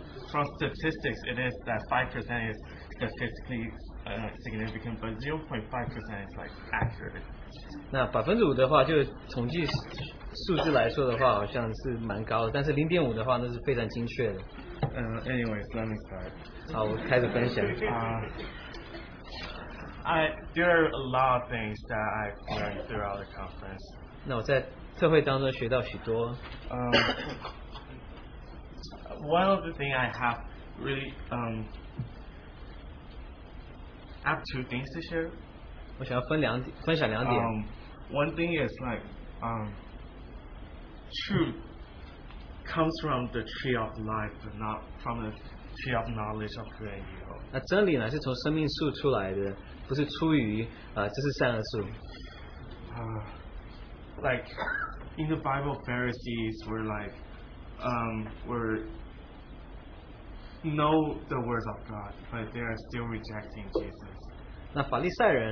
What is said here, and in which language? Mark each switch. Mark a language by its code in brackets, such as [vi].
[en] from statistics, it is that 5% is statistically significant, but 0.5% is like accurate. [zh] 那5%的话就统计。数字来说的话，好像是蛮高的，但是0.5%的话，那是非常精确的。 [en] Anyways, let me start. [zh] 好，我开始分享。 [en] There are a lot of things that I've learned throughout the conference. [zh] 那我在特会当中学到许多。 [en] one of the things I have really, I have two things to share. [zh] 我想要分享两点。 [en] One thing is like, truth comes from the tree of life, but not from the tree of knowledge of good and evil. [zh] 那真理呢，是从生命树出来的。不是出于，这是善恶树。 [en] Like in the Bible, Pharisees were like, were know the words of God, but they are still rejecting Jesus.